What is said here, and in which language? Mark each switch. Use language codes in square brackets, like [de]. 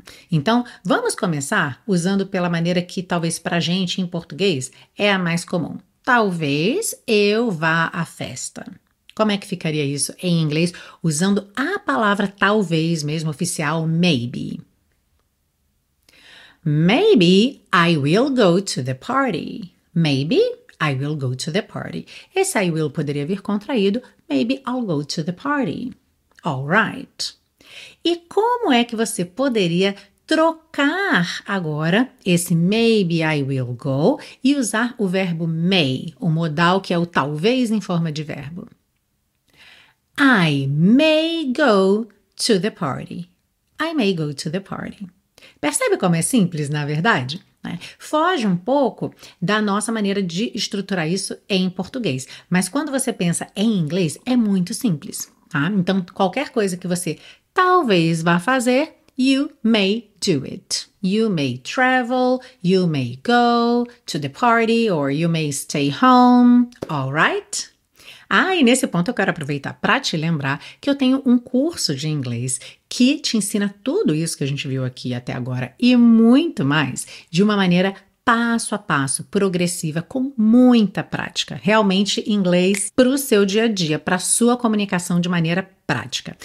[pt] Então, vamos começar usando pela maneira que talvez para a gente em português é a mais comum. Talvez eu vá à festa. Como é que ficaria isso em inglês usando a palavra talvez mesmo oficial, maybe? [en] Maybe I will go to the party. Maybe I will go to the party. [pt] Esse I will poderia vir contraído. [en] Maybe I'll go to the party. All right. [pt] E como é que você poderia trocar agora esse [en] maybe I will go [pt] e usar o verbo may, o modal que é o talvez em forma de verbo? [en] I may go to the party. I may go to the party. [pt] Percebe como é simples, na verdade? Foge um pouco da nossa maneira de estruturar isso em português. Mas quando você pensa em inglês, é muito simples. Tá? Então, qualquer coisa que você talvez vá fazer, [en] you may do it. You may travel, you may go to the party, or you may stay home. All right? [pt] Ah, e nesse ponto eu quero aproveitar para te lembrar que eu tenho um curso de inglês que te ensina tudo isso que a gente viu aqui até agora e muito mais de uma maneira passo a passo, progressiva, com muita prática. Realmente inglês para o seu dia a dia, para a sua comunicação de maneira prática.